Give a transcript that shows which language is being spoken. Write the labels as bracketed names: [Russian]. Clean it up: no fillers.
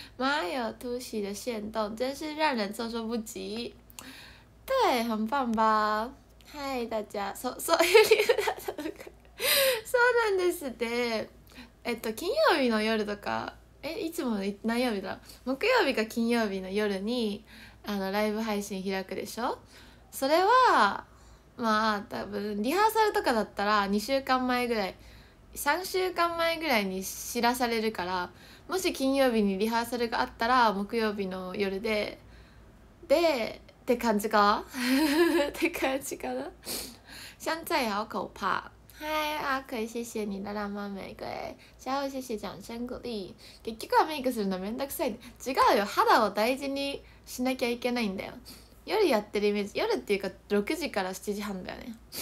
[Chinese] 妈呀，突袭的限动真是让人措手不及。对，很棒吧。 [Japanese] 嗨，大家，そういう理由だったのか。そうなんですって。金曜日の夜とか、いつも何曜日だ？木曜日か金曜日の夜にあのライブ配信開くでしょ？それはまあ多分リハーサルとかだったら2週間前ぐらい、3週間前ぐらいに知らされるから、もし金曜日にリハーサルがあったら木曜日の夜で、で。って感じか？って感じかな？ [Chinese] 香菜好可怕。嗨，阿可，谢谢你的浪漫玫瑰。加油，谢谢掌声鼓励。 [Japanese] 結局はメイクするのめんどくさい。違うよ、肌を大事にしなきゃいけないんだよ。夜やってるイメージ、夜っていうか6時から7時半だよね。